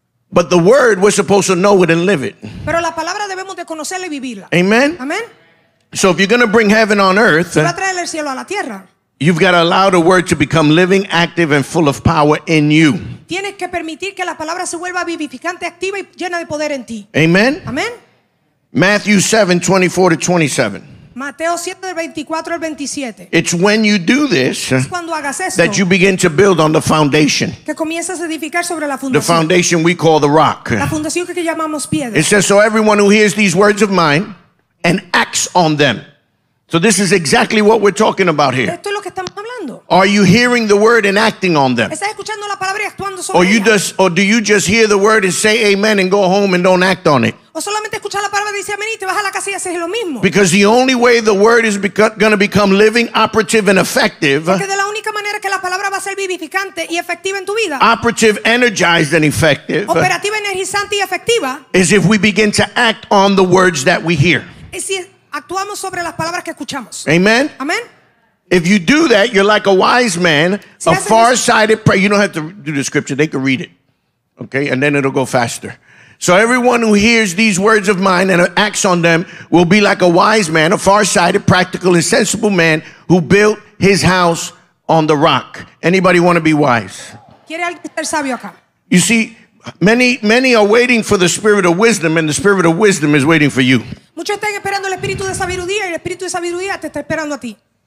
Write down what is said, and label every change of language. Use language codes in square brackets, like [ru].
[en] But the word, we're supposed to know it and live it. [es] Pero la palabra debemos de conocerla y vivirla. [en] Amen? [es] Amen? [en] So if you're going to bring heaven on earth, [es] va a traer el cielo a la tierra, [en] you've got to allow the word to become living, active, and full of power in you. [es] Tienes que permitir que la palabra se vuelva vivificante, activa y llena de poder en ti. [en] Amen. [es] Amen. [en] Matthew 7:24-27. [es] Mateo 7, del 24 al 27. [en] It's when you do this, [es] es cuando hagas esto, [en] that you begin to build on the foundation. [es] Que comienzas a edificar sobre la fundación. [en] The foundation we call the rock. [es] La fundación que llamamos piedra. [en] It says, so everyone who hears these words of mine and acts on them. So this is exactly what we're talking about here. [es] Esto es lo que estamos hablando. [en] Are you hearing the word and acting on them? [es] ¿Estás escuchando la palabra y actuando sobre ella? [en] Or do you just hear the word and say amen and go home and don't act on it? [es] O solamente escuchar la palabra y decir amén y te vas a la casa y haces lo mismo. [en] Because the only way the word is going to become living, operative, and effective. [es] Porque de la única manera que la palabra va a ser vivificante y efectiva en tu vida. [en] Operative, energized, and effective. [es] Operativa, energizante y efectiva. [en] Is if we begin to act on the words that we hear. [es] Es si actuamos sobre las palabras que escuchamos. [en] Amen. [es] Amen. [en] If you do that, you're like a wise man, si a far-sighted prayer. You don't have to do the scripture. They can read it. Okay? And then it'll go faster. So everyone who hears these words of mine and acts on them will be like a wise man, a far-sighted, practical, and sensible man who built his house on the rock. Anybody want to be wise? [es] ¿Quiere alguien ser sabio acá? [en] You see, many are waiting for the spirit of wisdom, and the spirit of wisdom is waiting for you. [es] Muchos están esperando el espíritu de sabiduría y el espíritu de sabiduría te está esperando a ti.